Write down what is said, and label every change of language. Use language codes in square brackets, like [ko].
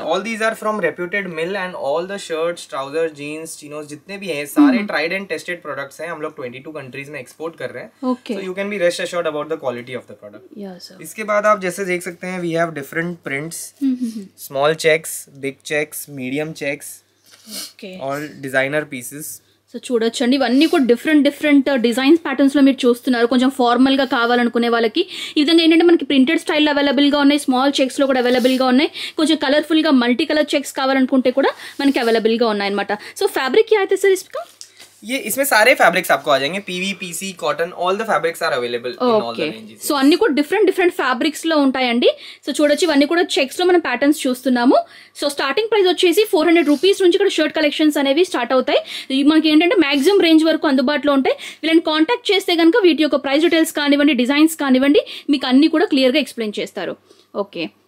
[en] all these are from reputed mill, [hi] and all the shirts, trouser, jeans, chinos जितने भी हैं सारे tried and tested products हैं. हम लोग 22 कंट्रीज में एक्सपोर्ट कर रहे हैं. Okay, [en] So you can be rest assured about the quality of the product. [hi] इसके बाद आप जैसे देख सकते हैं we have different prints, small checks, big checks, medium checks. [en] Okay. All designer pieces. [te] So చూడొచ్చండి, ఇవన్నీ కూడా డిఫరెంట్ డిఫరెంట్ డిజైన్స్ ప్యాటర్న్స్ లో మీరు చూస్తున్నారు. కొంచెం ఫార్మల్ గా కావాలనుకునే వాళ్ళకి ఈ విధంగా ఏంటంటే మనకి ప్రింటెడ్ స్టైల్ అవైలబుల్ గా ఉన్నాయి, స్మాల్ చెక్స్ లో కూడా అవైలబుల్ గా ఉన్నాయి, కొంచెం కలర్ఫుల్ గా మల్టీ కలర్ చెక్స్ కావాలనుకుంటే కూడా మనకి అవైలబుల్ గా ఉన్నాయి అన్నమాట. సో ఫ్యాబ్రిక్ అయితే సార్ ఇస్పికా? [hi] ये इसमें सारे फैब्रिक्स आपको आ जाएंगे, PV, PC, cotton, [en] All the fabrics are available in all the ranges. [te] सो అన్ని కూడా డిఫరెంట్ డిఫరెంట్ ఫ్యాబ్రిక్స్ లో ఉంటాయండి. సో చూడొచ్చు ఇవన్నీ కూడా చెక్స్ లో మనం ప్యాటర్న్స్ చూస్తున్నాము. సో స్టార్టింగ్ ప్రైస్ వచ్చేసి 400 రూపీస్ నుంచి ఇక్కడ షర్ట్ కలెక్షన్స్ అనేవి స్టార్ట్ అవుతాయి. మనకి ఏంటంటే మాక్సిమం రేంజ్ వరకు అందుబాటులో ఉంటాయి. వీళ్ళని కాంటాక్ట్ చేస్తే గనుక వీటి యొక్క ప్రైస్ డీటెయిల్స్ కానివ్వండి, డిజైన్స్ కానివ్వండి, మీకు అన్ని కూడా క్లియర్ గా ఎక్స్ప్లెయిన్ చేస్తారు. ఓకే,